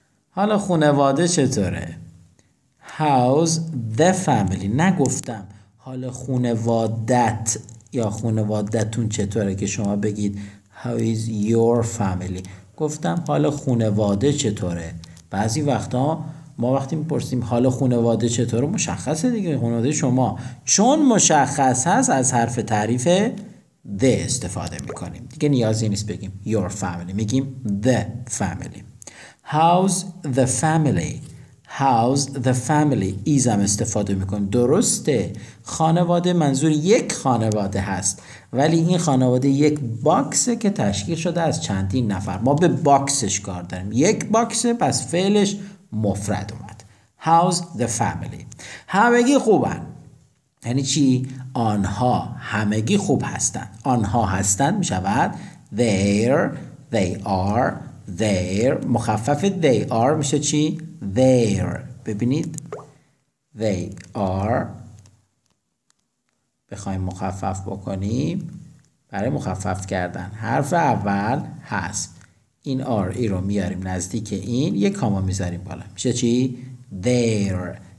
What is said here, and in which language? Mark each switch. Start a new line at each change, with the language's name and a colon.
Persian: حالا خانواده چطوره؟
English: How's the family؟
Persian: نگفتم حال خانوادت یا خانوادتون چطوره که شما بگید
English: How is your family؟
Persian: گفتم حال خانواده چطوره. بعضی وقتا ما وقتی میپرسیم حال خانواده چطوره، مشخصه دیگه، خانواده شما. چون مشخص هست از حرف تعریف the استفاده میکنیم، دیگه نیازی نیست بگیم your family، میگیم the family.
English: How's the family؟ How's the family؟ ایزم استفاده میکنیم.
Persian: درسته خانواده منظور یک خانواده هست، ولی این خانواده یک باکسه که تشکیل شده از چندین نفر. ما به باکسش کار داریم، یک باکسه، پس فعلش مفرد اومد.
English: How's the family؟
Persian: همگی خوبن. یعنی چی؟ آنها همگی خوب هستند. آنها هستند میشود
English: they're، they are، they're.
Persian: مخفف they are میشه چی؟ they're. ببینید they are بخوایم مخفف بکنیم، برای مخفف کردن حرف اول هست، این آر ای رو میاریم نزدیک این، یک کاما میذاریم بالا، میشه چی؟ they're.